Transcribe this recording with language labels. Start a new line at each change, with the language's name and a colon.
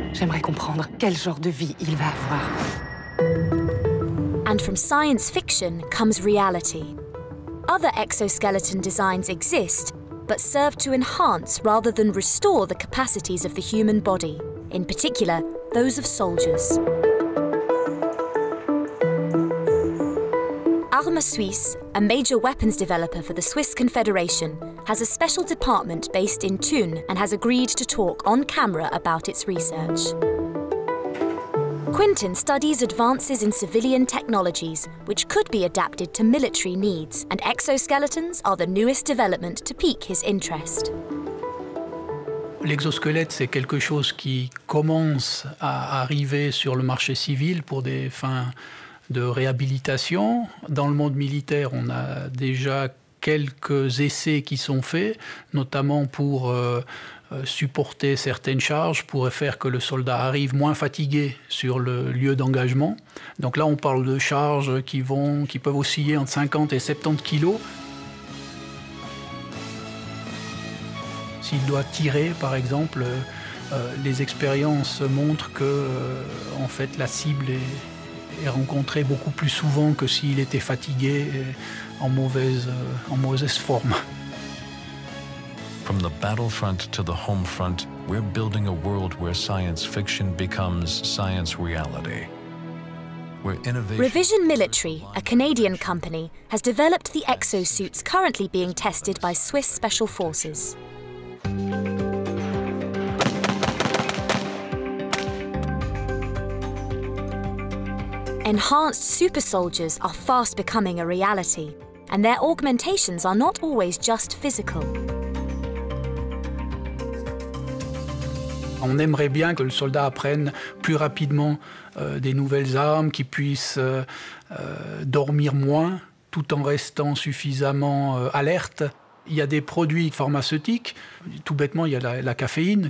French: J'aimerais comprendre quel genre de vie il va avoir.
English: And from science fiction comes reality. Other exoskeleton designs exist, but serve to enhance rather than restore the capacities of the human body, in particular, those of soldiers. Arma Suisse, a major weapons developer for the Swiss Confederation, has a special department based in Thun and has agreed to talk on camera about its research. Quinton studies advances in civilian technologies, which could be adapted to military needs, and exoskeletons are the newest development to pique his interest.
French: L'exosquelette, c'est quelque chose qui commence à arriver sur le marché civil pour des fins de réhabilitation. Dans le monde militaire, on a déjà quelques essais qui sont faits, notamment pour supporter certaines charges pourrait faire que le soldat arrive moins fatigué sur le lieu d'engagement. Donc là, on parle de charges qui peuvent osciller entre 50 et 70 kilos. S'il doit tirer, par exemple, les expériences montrent que en fait, la cible est rencontrée beaucoup plus souvent que s'il était fatigué et en mauvaise forme.
English: From the battlefront to the home front, we're building a world where science fiction becomes science reality. Where innovation... Revision Military, a Canadian company, has developed the exosuits currently being tested by Swiss Special Forces. Enhanced super soldiers are fast becoming a reality, and their augmentations are not always just physical.
French: On aimerait bien que le soldat apprenne plus rapidement des nouvelles armes, qu'il puisse dormir moins tout en restant suffisamment alerte. Il y a des produits pharmaceutiques, tout bêtement il y a la caféine.